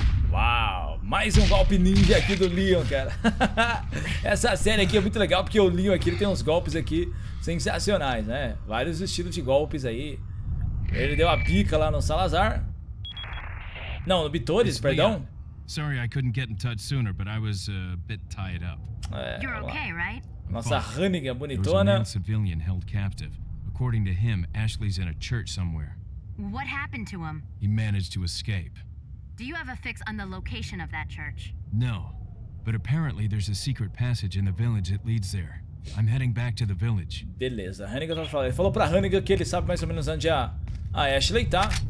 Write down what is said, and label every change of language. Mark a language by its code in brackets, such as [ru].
[pt] Uau! Mais um golpe ninja aqui do Leon, cara. Essa série aqui é muito legal porque o Leon aqui ele tem uns golpes aqui sensacionais, né? Vários estilos de golpes aí. Ele deu a bica lá no Salazar. Não, no Bitores, perdão. [en] Sorry, I couldn't get in touch sooner, but I was a bit tied up. You're okay, right? [pt] Nossa Hannigan bonitona. [en] There was a man civilian held captive. According to him, Ashley's in a church somewhere. What happened to him? He managed to escape. Do you have a fix on the location of that church? No, but apparently there's a secret passage in the village that leads there. I'm heading back to the village. [pt] Beleza, Hannigan tava falando. Ele falou pra Hannigan que ele sabe mais ou menos onde a Ashley tá?